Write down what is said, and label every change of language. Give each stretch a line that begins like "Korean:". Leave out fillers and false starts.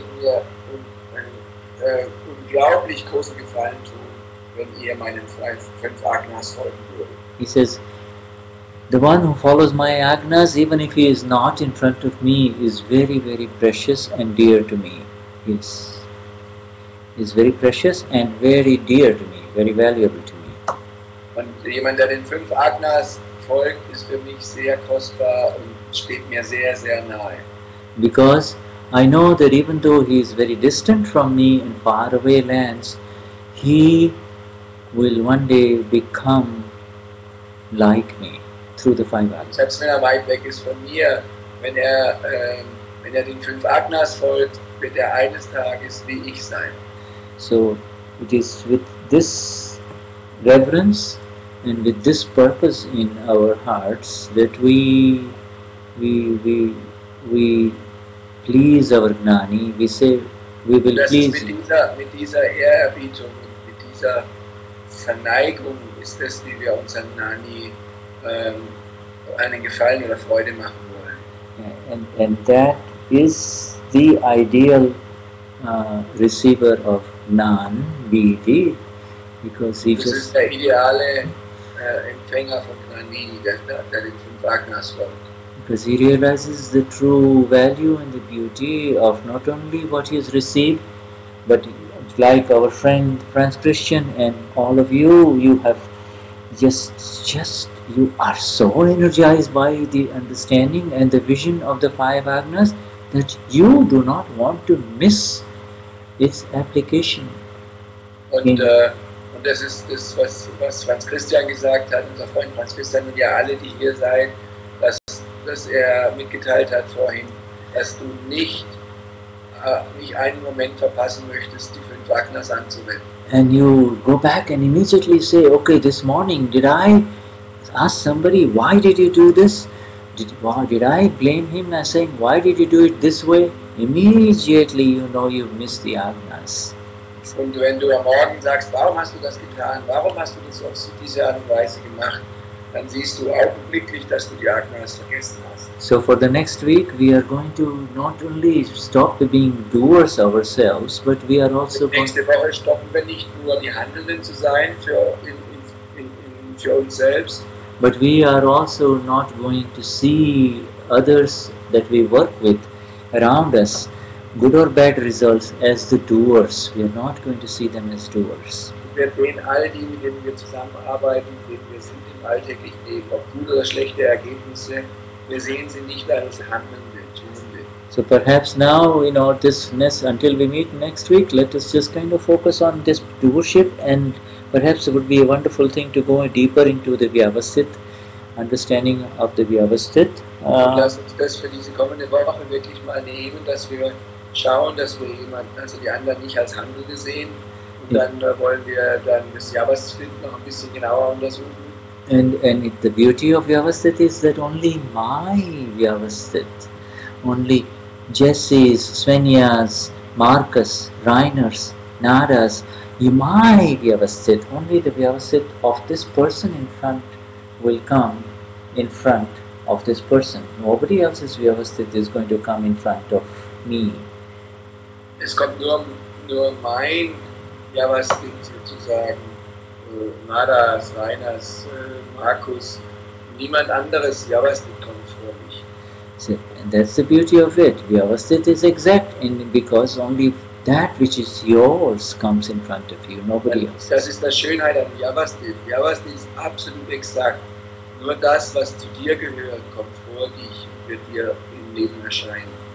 German: Ihr werdet mir unglaublich großen Gefallen tun, wenn ihr meinen fünf Agnas folgen würdet.
English: He says, the one who follows my agnas, even if he is not in front of me, is very, very precious and dear to me. Yes, is very precious and very dear to me, very valuable to me.
German: Und jemand, der den fünf Agnas folgt, ist für mich sehr kostbar und steht mir sehr, sehr nahe.
English: Because I know that even though he is very distant from me in faraway lands, he will one day become like me through the five Agnas.
German: Selbst wenn er weit weg ist von mir, wenn er den fünf Agnas folgt, wird er eines Tages wie ich sein.
English: So, it is with this reverence and with this purpose in our hearts that we please our Gnani. We say, we will please.
German: Mit dieser Ehrerbietung, mit dieser Verneigung ist es, wie wir unserem Gnani einen Gefallen oder Freude machen wollen.
English: And that is the ideal receiver of Gnan, Vidi, because he this just... This is the
German: ideale empfänger von Gnani, der den fünf Agnas folgt.
English: Because he realizes the true value and the beauty of not only what he has received, but like our friend Franz Christian and all of you, you have just you are so energized by the understanding and the vision of the five Agnas that you do not want to miss its application.
German: Und das ist das, was Franz Christian gesagt hat, unser Freund Franz Christian und ihr alle, die hier seid, dass er mitgeteilt hat vorhin, dass du nicht einen Moment verpassen möchtest, die fünf Agnas anzuwenden.
English: And you go back and immediately say, okay, this morning, did I ask somebody, why did you do this? Did I blame him as saying, why did you do it this way? Immediately you know you've missed the Agnas.
German: Und wenn du am Morgen sagst, warum hast du das getan, warum hast du das auf diese Art und Weise gemacht, dann siehst du augenblicklich, dass du die Agnas vergessen hast.
English: So for the next week, we are going to not only stop being doers ourselves, but we are also going to...
German: Nächste Woche stoppen wir nicht nur die Handelnden zu sein für uns selbst.
English: But we are also not going to see others that we work with around us, good or bad results, as the doers. We are not going to see them as doers.
German: Wir sehen all die, mit denen wir zusammenarbeiten, mit denen wir sind im alltäglichen Leben, ob gute oder schlechte Ergebnisse, wir sehen sie nicht als Handelnde, Tunende.
English: So perhaps now, in all this, until we meet next week, let us just kind of focus on this doership, and perhaps it would be a wonderful thing to go deeper into the Vyavasthit, understanding of the Vyavasthit.
German: Lass uns das für diese kommende Woche wirklich mal nehmen, dass wir schauen, dass wir die anderen nicht als Handel gesehen. Und dann wollen wir dann das Vyavasthit noch ein bisschen genauer untersuchen.
English: And the beauty of Vyavasthit is that only my Vyavasthit, only Jesse's, Svenja's, Marcus, Reiner's, Nara's, my Vyavasthit, only the Vyavasthit of this person in front will come in front of this person. Nobody else's Vyavasthit is going to come in front of me.
German: Es kommt nur mein Vyavasthit sozusagen, Nara's, Reiner's, Markus, niemand anderes Vyavasthit kommt vor mich.
English: So, and that's the beauty of it. Vyavasthit is exact because only that which is yours comes in front of you, nobody else.
German: Das ist die Schönheit am Vyavasthit. Vyavasthit ist absolut exakt. Nur das, was zu dir gehört, kommt vor dich und wird dir im Leben erscheinen.